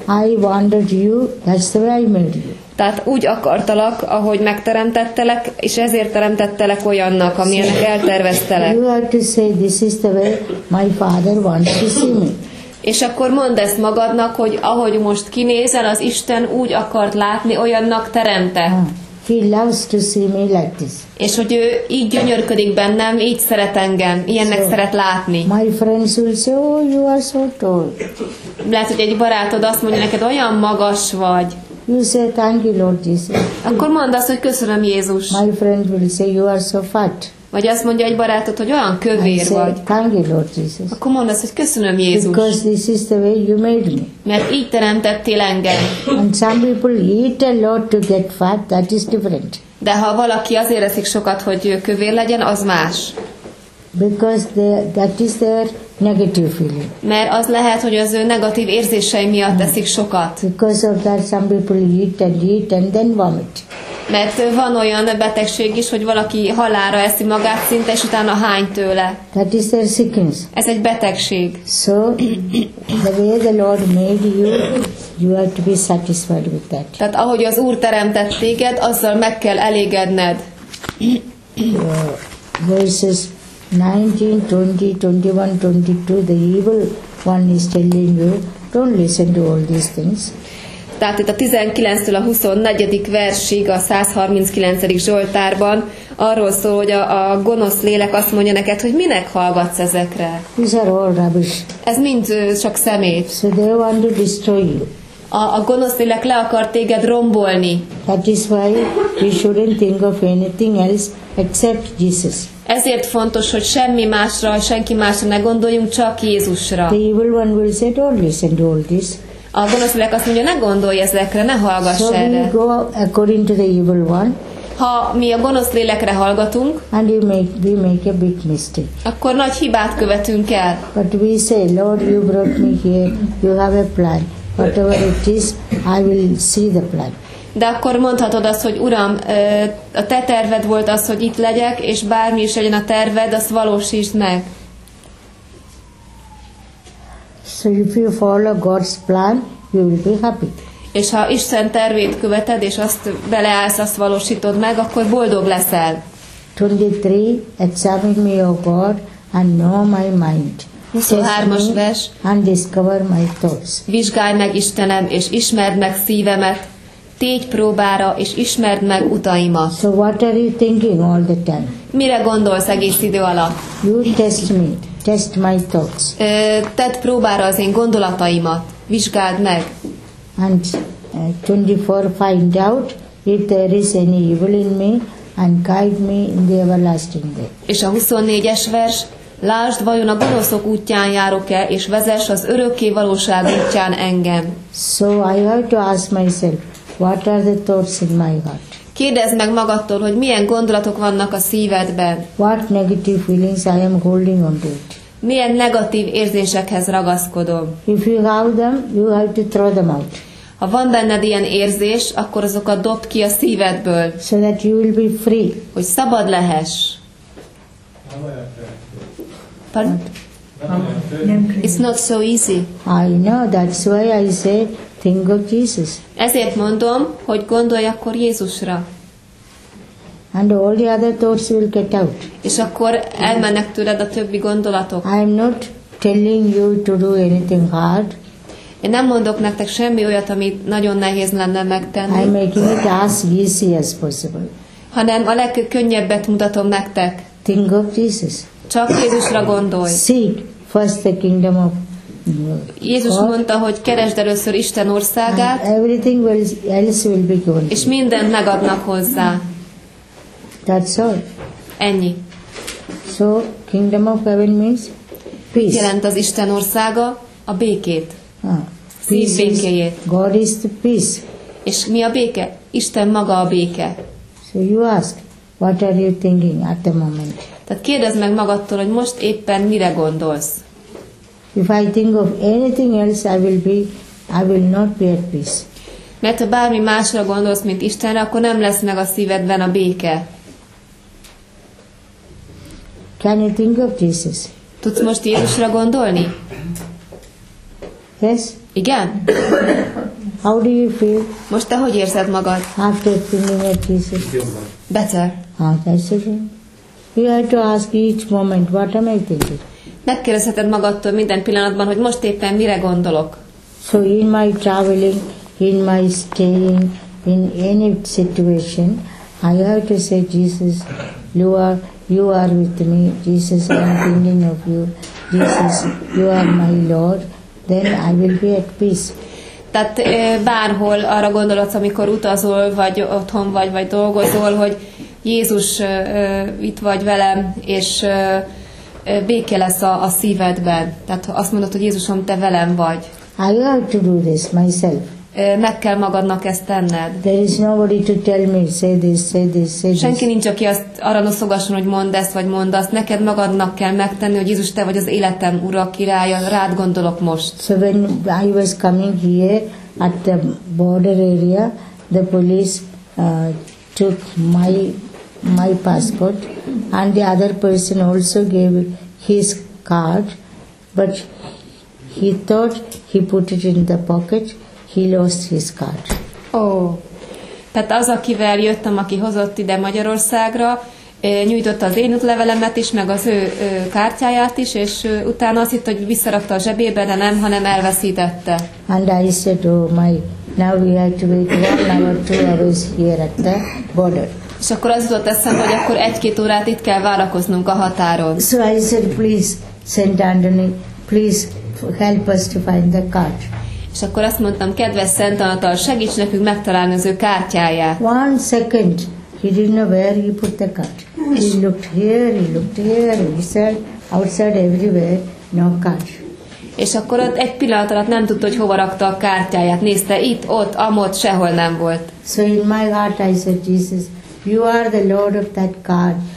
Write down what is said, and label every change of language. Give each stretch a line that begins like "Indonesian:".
English: I wanted you, that's the way I made you.
Hungarian: Tehát úgy akartalak, ahogy megteremtettelek, és ezért teremtettelek olyannak, amilyennek elterveztelek.
English: You have to say, this is the way my father wants to see me.
Hungarian: És akkor mondd ezt magadnak, hogy ahogy most kinézel, az Isten úgy akart látni, olyannak teremte.
English: He loves to see me like this.
Hungarian: És hogy ő így gyönyörködik bennem, így szeret engem, ilyennek szeret látni.
English: My friends will say, oh, you are so tall.
Hungarian: Lehet, hogy egy barátod azt mondja neked, olyan magas vagy.
English: You say, thank you, Lord Jesus.
Hungarian: Akkor mondd azt, hogy köszönöm, Jézus.
English: My friend will say, you are so fat.
Hungarian: Vagy azt mondja egy barátod, hogy olyan kövér vagy.
English: Thank you, Lord Jesus.
Hungarian: Akkor mondd azt, hogy köszönöm, Jézus.
English: Because this is the way you made me.
Hungarian: Mert így teremtettél engem.
English: And some people eat a lot to get fat, that is different.
Hungarian: De ha valaki azért eszik sokat, hogy kövér legyen, az más.
English: Because that is their negative feeling.
Hungarian: Mert az lehet, hogy az ő negatív érzései miatt eszik sokat.
English: Because of that some people eat and then vomit.
Hungarian: Mert van olyan betegség is, hogy valaki halálra eszi magát szinte, és utána hány tőle.
English: That is their sickness.
Hungarian: Ez egy betegség.
English: So, the way the Lord made you, you have to be satisfied with that.
Hungarian: Tehát ahogy az Úr teremtett téged, azzal meg kell elégedned.
English: Verses 19, 20, 21, 22, the evil one is telling you, don't listen to all these things.
Hungarian: Tehát itt a 19-től a 24. versig a 139. Zsoltárban arról szól, hogy a gonosz lélek azt mondja neked, hogy minek hallgatsz ezekre.
English: These are all rubbish.
Hungarian: Ez mind csak szemét.
English: So they want to destroy you.
Hungarian: A gonosz lélek le akar téged rombolni.
English: That is why we shouldn't think of anything else except Jesus.
Hungarian: Ezért fontos, hogy semmi másra, senki másra ne gondoljunk, csak Jézusra.
English: The evil one will say, don't listen to all this.
Hungarian: A gonosz lélek azt mondja, ne gondolj ezekre, ne hallgass erre.
English: So we go according to the evil one.
Hungarian: Ha mi a gonosz lélekre hallgatunk,
English: and we make a big mistake.
Hungarian: Akkor nagy hibát követünk el.
English: But we say, Lord, you brought me here, you have a plan. Whatever it is, I will see the plan.
Hungarian: De akkor mondhatod azt, hogy Uram, a te terved volt az, hogy itt legyek, és bármi is legyen a terved, azt valósítsd meg.
English: So if you follow God's plan, you will be happy.
Hungarian: És ha Isten tervét követed, és azt beleállsz, azt valósítod meg, akkor boldog leszel.
English: 23. Examine me, O God, and know my mind.
Hungarian: 23-as vers.
English: And discover my thoughts.
Hungarian: Vizsgálj meg, Istenem, és ismerd meg szívemet. Tégy próbára, és ismerd meg utaimat.
English: So what are you thinking all the time?
Hungarian: Mire gondolsz egész idő alatt?
English: You test me. Test my thoughts.
Hungarian: Tedd próbára az én gondolataimat. Vizsgáld meg.
English: And 24, find out if there is any evil in me and guide me in the everlasting way.
Hungarian: És a 24-es vers. Lásd, vajon a gonoszok útján járok-e, és vezess az örökké valóság útján engem.
English: So I have to ask myself, what are the thoughts in my heart?
Hungarian: Kérdezd meg magadtól, hogy milyen gondolatok vannak a szívedben.
English: What negative feelings I am holding on to it?
Hungarian: Milyen negatív érzésekhez ragaszkodom?
English: If you have them, you have to throw them out.
Hungarian: Ha van benned ilyen érzés, akkor azokat dobd ki a szívedből.
English: So that you will be free.
Hungarian: Hogy szabad lehess.
English: It's not so easy. I know, that's why I say, think of Jesus.
Hungarian: Ezért mondom, hogy gondolj akkor Jézusra.
English: And all the other thoughts will get out.
Hungarian: És akkor elmennek tőled a többi gondolatok.
English: I'm not telling you to do anything hard.
Hungarian: Én nem mondok nektek semmi olyat, amit nagyon nehéz lenne megtenni.
English: I'm making it as easy as possible.
Hungarian: Hanem a legkönnyebbet mutatom nektek.
English: Think of Jesus.
Hungarian: Csak Jézusra gondolj.
English: Seek first the kingdom of God.
Hungarian: Jézus mondta, hogy keresd először Isten országát,
English: and everything else will be given.
Hungarian: És mindent megadnak hozzá.
English: That's all.
Hungarian: Ennyi.
English: So, kingdom of heaven means peace.
Hungarian: Mit jelent az Isten országa? A békét. Szív békéjét.
English: God is the peace.
Hungarian: És mi a béke? Isten maga a béke.
English: So you ask, what are you thinking at the moment?
Hungarian: Tehát kérdezd meg magadtól, hogy most éppen mire gondolsz.
English: If I think of anything else, I will not be at peace.
Hungarian: Mert ha bármi másra gondolsz, mint Istenre, akkor nem lesz meg a szívedben a béke.
English: Can you think of Jesus?
Hungarian: Tudsz most Jézusra gondolni?
English: Yes.
Hungarian: Igen?
English: How do you feel?
Hungarian: Most te hogy érzed magad?
English: After thinking of Jesus. Better. That's okay. You have to ask each moment, what am I thinking?
Hungarian: Megkérdezheted magadtól minden pillanatban, hogy most éppen mire gondolok.
English: So in my traveling, in my staying, in any situation, I have to say, Jesus, you are with me. Jesus, I am thinking of you. Jesus, you are my Lord. Then I will be at peace.
Hungarian: Tehát bárhol arra gondolsz, amikor utazol, vagy otthon vagy, vagy dolgozol, hogy Jézus, itt vagy velem, és béke lesz a szívedben. Tehát azt mondod, hogy Jézusom, te velem vagy.
English: I have to do this myself.
Hungarian: Meg kell magadnak ezt tenned.
English: There is nobody to tell me, say this.
Hungarian: Senki nincs, aki azt arra noszogasson, hogy mondd ezt, vagy mondd azt. Neked magadnak kell megtenni, hogy Jézus, te vagy az életem ura, királya, rád gondolok most.
English: So when I was coming here, at the border area, the police took my passport, and the other person also gave his card, but he thought he put it in the pocket, he lost his card.
Hungarian: Oh, tehát az, akivel jöttem, aki hozott ide Magyarországra, nyújtotta az én útlevelemet is, meg az ő kártyáját is, és utána azt hitt, hogy visszarakta a zsebébe, de nem, hanem elveszítette.
English: And I said, oh my, now we have to wait 1 hour, 2 hours here at the border.
Hungarian: És akkor az jutott eszembe, hogy akkor 1-2 órát itt kell várakoznunk a határon.
English: So I said, please, Saint Anthony, please help us to find the card.
Hungarian: És akkor azt mondtam, kedves Szent Anatol, segíts nekünk megtalálni az ő kártyáját.
English: One second. He didn't know where he put the card. He looked here, he said, outside everywhere, no card.
Hungarian: És akkor ott egy pillanat alatt nem tudta, hogy hova rakta a kártyáját. Nézte itt, ott, amott, sehol nem volt.
English: So in my heart I said, Jesus, you are the Lord of that card.